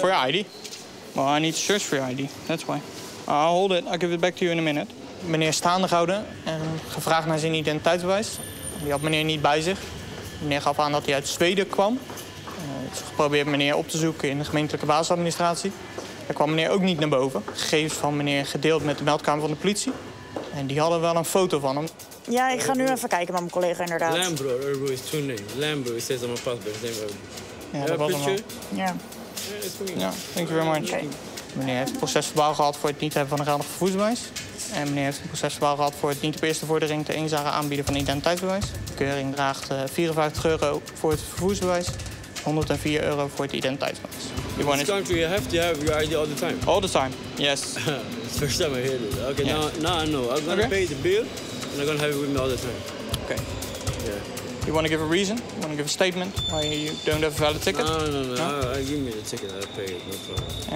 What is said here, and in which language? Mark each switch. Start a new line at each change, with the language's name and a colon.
English: For your ID. Well, I need to search for your ID. That's why. I'll hold it. I'll give it back to you in a minute.
Dutch: Meneer staande gehouden en gevraagd naar zijn identiteitsbewijs. Die had meneer niet bij zich. Meneer gaf aan dat hij uit Zweden kwam. Hij heeft geprobeerd meneer op te zoeken in de gemeentelijke basisadministratie. Daar kwam meneer ook niet naar boven. Gegevens van meneer gedeeld met de meldkamer van de politie. En die hadden wel een foto van hem. Ja, ik ga nu even kijken met mijn collega inderdaad.
English: Lambro, Urbo is two names. Lambro, it says on my passport, name Urbo.
Dutch: Ja, dat was hem wel. Ja.
English: Ja, thank you very much. Okay.
Dutch: Meneer heeft een procesverbaal gehad voor het niet hebben van een geldig vervoersbewijs. En meneer heeft een procesverbaal gehad voor het niet op eerste vordering te inzage aanbieden van identiteitsbewijs. De keuring draagt €54 voor het vervoersbewijs, €104 voor het identiteitsbewijs.
English: You want it? This country, you have to have your ID all the time. All the time, yes. First time I hear this. Okay, yes. Now I know. I'm going to pay the bill and I'm going to have it with me all the time. Okay. Yeah. You want to give a reason? You want to give a statement why you don't have a valid ticket? No. I'll give me the ticket, I'll pay it, no problem.